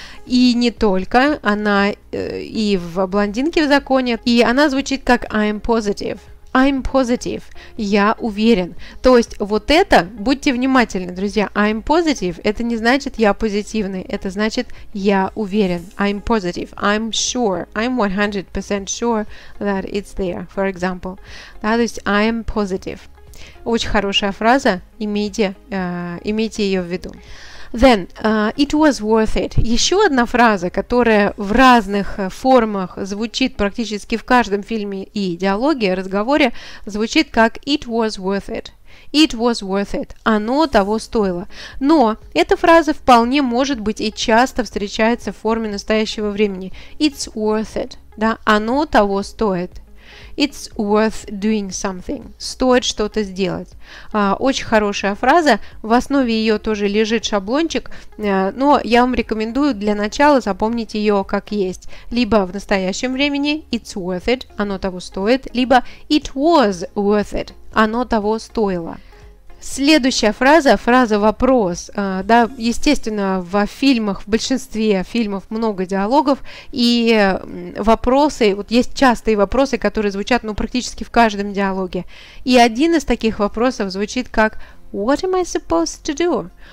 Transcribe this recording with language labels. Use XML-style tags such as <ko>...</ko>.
<ru>И не только, она и в «Блондинке в законе», и она звучит как «I'm positive». I'm positive, я уверен. То есть вот это, будьте внимательны, друзья, I'm positive, это не значит я позитивный, это значит я уверен.</ru> <en>I'm positive, I'm sure, I'm 100% sure that it's there, for example.</en> <ru>Да, то есть I'm positive. Очень хорошая фраза, имейте ее в виду.</ru> <en>Then, it was worth it.</en> <ru>Еще одна фраза, которая в разных формах звучит практически в каждом фильме и диалоге, разговоре, звучит как it was worth it.</ru> <en>It was worth it. Оно того стоило.</en> <ru>Но эта фраза вполне может быть и часто встречается в форме настоящего времени. It's worth it. Да? Оно того стоит.</ru> <en>It's worth doing something.</en> <ru>Стоит что-то сделать. Очень хорошая фраза. В основе ее тоже лежит шаблончик. Но я вам рекомендую для начала запомнить ее как есть. Либо в настоящем времени it's worth it. Оно того стоит.</ru> <en>Либо it was worth it.</en> <ru>Оно того стоило. Следующая фраза, фраза-вопрос, да, естественно, в фильмах, в большинстве фильмов много диалогов, и вопросы, вот есть частые вопросы, которые звучат, практически в каждом диалоге, и один из таких вопросов звучит как «What am I supposed to do?»</ru>